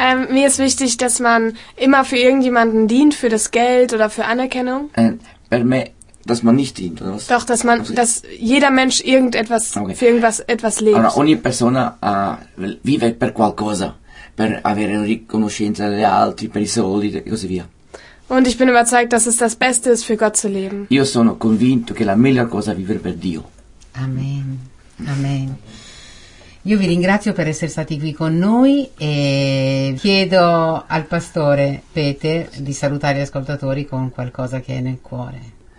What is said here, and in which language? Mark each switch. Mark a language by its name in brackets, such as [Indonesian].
[German] mir ist wichtig, dass man immer für irgendjemanden dient, für das Geld oder für Anerkennung. [Italian] Per me, [German] dass man nicht dient, oder was? Doch, dass man, dass jeder Mensch irgendetwas, okay. Für irgendwas etwas lebt. [Italian] Allora, ogni persona vive per qualcosa, per avere riconoscenza degli altri, per i soldi e così via. [German] Und ich bin überzeugt, dass es das Beste ist, für Gott zu leben. [Italian] Io sono convinto che la miglior cosa è vivere per Dio. Amen. Amen. Io vi ringrazio per essere stati qui con noi e chiedo al pastore Peter di salutare gli ascoltatori con qualcosa che è nel cuore.